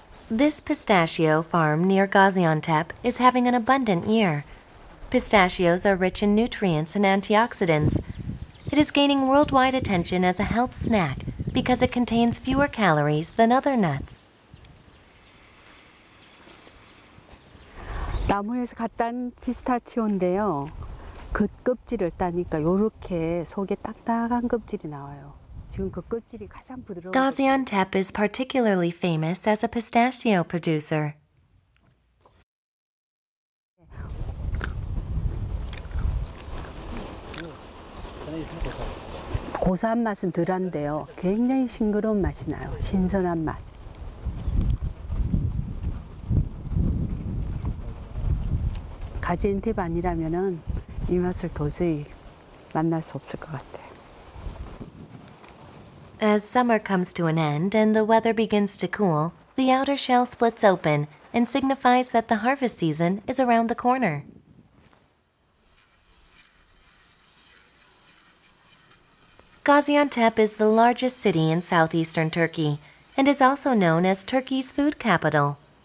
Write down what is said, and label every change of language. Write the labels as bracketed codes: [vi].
[en] This pistachio farm near Gaziantep is having an abundant year. Pistachios are rich in nutrients and antioxidants. It is gaining worldwide attention as a health snack, because it contains fewer calories than other nuts. [ko] 나무에서 갓 딴 피스타치오인데요. 겉껍질을 따니까 이렇게 속에 딱딱한 껍질이 나와요. 지금 그 껍질이 가장 부드러워. [en] Gaziantep is particularly famous as a pistachio producer. [ko] 고소한 맛은 덜한데요. 굉장히 싱그러운 맛이 나요. 신선한 맛. 가지엔텝 아니라면은 이 맛을 도저히 만날 수 없을 것 같아요. [en] As summer comes to an end and the weather begins to cool, the outer shell splits open and signifies that the harvest season is around the corner. Gaziantep is the largest city in southeastern Turkey and is also known as Turkey's food capital.